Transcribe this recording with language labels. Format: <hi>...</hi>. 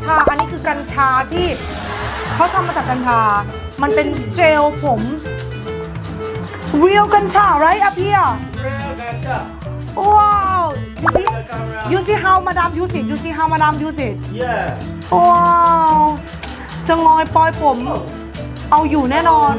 <th>อันนี้คือกัญชาที่เขาทำมาจากกัญชามันเป็นเจลผม real กัญชา right อะพี่อะ real กัญชา</th> <en>wow you see how madam use it you see how madam use it yeah</en> <th>wow จะงอยปล่อยผมเอาอยู่แน่นอน</th>